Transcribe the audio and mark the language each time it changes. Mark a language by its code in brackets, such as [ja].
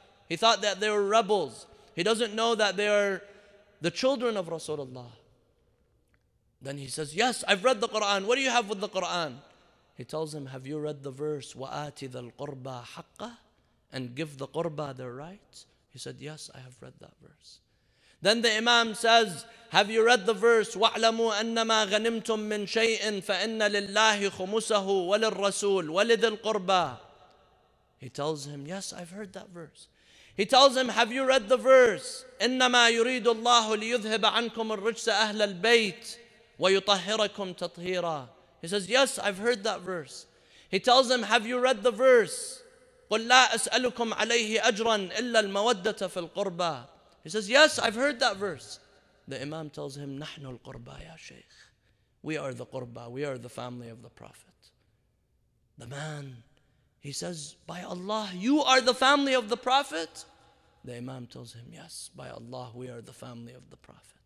[en] He thought that they were rebels. He doesn't know that they are the children of Rasulullah. Then he says, yes, I've read the Quran. What do you have with the Quran? He tells him, have you read the verse, [ar] وَآتِ ذَا الْقُرْبَى حَقَّهُ, [en] and give the qurba their right? He said, yes, I have read that verse. Then the Imam says, have you read the verse, [ar] وَعْلَمُوا أَنَّمَا غَنِمْتُم مِّن شَيْءٍ فَإِنَّ لِلَّهِ خُمُسَهُ وَلِلْرَسُولِ وَلِذِ الْقُرْبَى. [en] He tells him, yes, I've heard that verse. He tells him, have you read the verse, [ar] إِنَّمَا يُرِيدُ اللَّهُ لِيُذْهِبَ عَنْكُمُ الرِّجْسَ أَهْلَ الْبَيْتِ وَيُطَهِّرَكُمْ تَطْهِيرًا. [en] He says, yes, I've heard that verse. He tells him, have you read the verse, [ar] قُلْ لَا أَسْأَلُكُمْ عَلَيْهِ أَجْرًا إِلَّا الْمَوَدَّةَ فِي الْقُرْبَى. [en] He says, yes, I've heard that verse. The Imam tells him, [ar] نَحْنُ الْقُرْبَى يَا شَيْخ. [en] We are the qurba, we are the family of the Prophet. The man, he says, by Allah, you are the family of the Prophet? The Imam tells him, yes, by Allah, we are the family of the Prophet.